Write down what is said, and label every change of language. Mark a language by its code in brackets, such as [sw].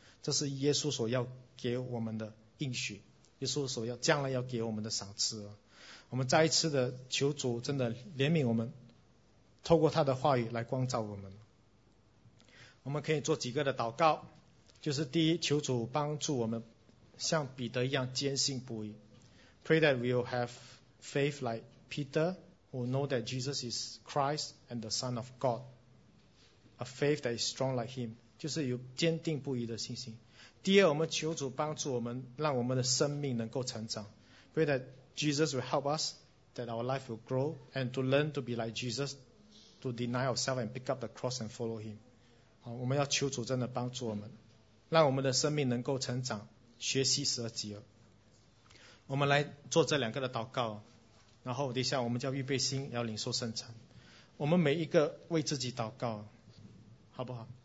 [zh] 这是耶稣所要给我们的应许，耶稣所要将来要给我们的赏赐。我们再一次的求主真的怜悯我们，透过他的话语来光照我们。我们可以做几个的祷告，就是第一，求主帮助我们像彼得一样坚信不疑。 [en] Pray that we'll have faith like Peter, who know that Jesus is Christ and the Son of God. A faith that is strong like him, [zh] 就是有坚定不移的信心。第二，我们求主帮助我们，让我们的生命能够成长。 [en] Pray that Jesus will help us, that our life will grow, and to learn to be like Jesus, to deny ourselves and pick up the cross and follow him. [zh] 好，我们要求主真的帮助我们，让我们的生命能够成长，学习舍己。我们来做这两个的祷告，然后等一下我们叫预备心，要领受圣餐。我们每一个为自己祷告好不好？